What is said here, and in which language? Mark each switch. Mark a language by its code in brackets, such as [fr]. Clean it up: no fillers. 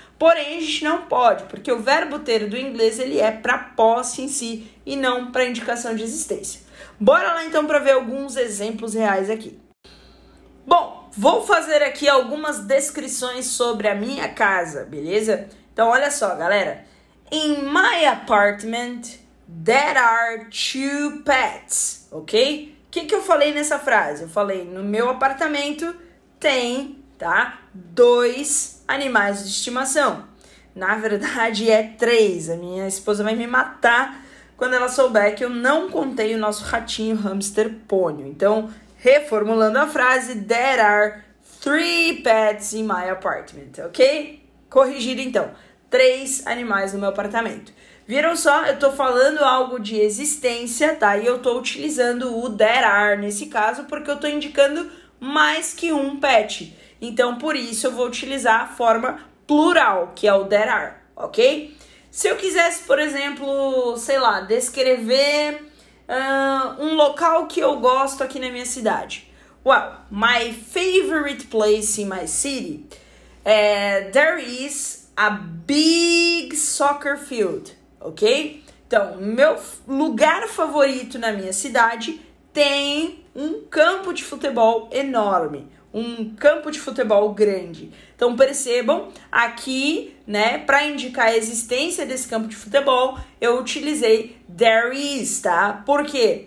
[pt] Porém, a gente não pode, porque o verbo ter do inglês ele é para posse em si e não para indicação de existência. Bora lá, então, para ver alguns exemplos reais aqui. Bom, vou fazer aqui algumas descrições sobre a minha casa, beleza? Então, olha só, galera. [en] In my apartment, there are two pets, ok? [pt] O que, que eu falei nessa frase? Eu falei, no meu apartamento tem, tá, dois animais de estimação. Na verdade, é três. A minha esposa vai me matar quando ela souber que eu não contei o nosso ratinho hamster pônio. Então, reformulando a frase, [en] there are three pets in my apartment, ok? [pt] Corrigido, então. Três animais no meu apartamento. Viram só? Eu tô falando algo de existência, tá? E eu tô utilizando o there are nesse caso, porque eu tô indicando mais que um pet. Então, por isso, eu vou utilizar a forma plural, que é o there are, ok? Se eu quisesse, por exemplo, sei lá, descrever um local que eu gosto aqui na minha cidade. [en] Well, my favorite place in my city, there is a big soccer field, ok? [pt] Então, meu lugar favorito na minha cidade tem um campo de futebol enorme, um campo de futebol grande. Então, percebam aqui, né, para indicar a existência desse campo de futebol, eu utilizei there is, tá? Por quê?